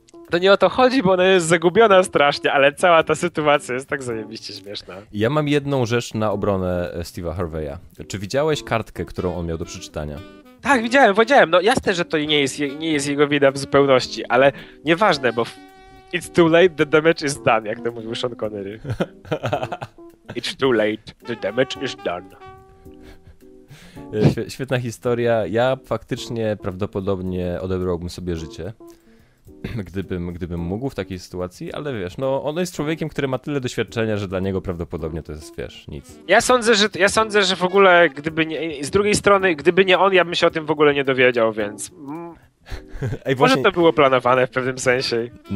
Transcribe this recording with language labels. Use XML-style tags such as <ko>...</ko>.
<pl>To nie o to chodzi, bo ona jest zagubiona strasznie, ale cała ta sytuacja jest tak zajebiście śmieszna. Ja mam jedną rzecz na obronę Steve'a Harvey'a. Czy widziałeś kartkę, którą on miał do przeczytania? Tak, widziałem, powiedziałem. No jasne, że to nie jest jego wina w zupełności, ale nieważne, bo</pl> <en>it's too late, the damage is done,</en> <pl>jak to mówił Sean Connery.</pl> <en>It's too late, the damage is done.</en> <pl>Świetna historia. Ja faktycznie prawdopodobnie odebrałbym sobie życie. Gdybym mógł w takiej sytuacji, ale wiesz, no on jest człowiekiem, który ma tyle doświadczenia, że dla niego prawdopodobnie to jest, wiesz, nic. Ja sądzę, że w ogóle gdyby nie, z drugiej strony, gdyby nie on, ja bym się o tym w ogóle nie dowiedział, więc ej, właśnie, może to było planowane w pewnym sensie.</pl>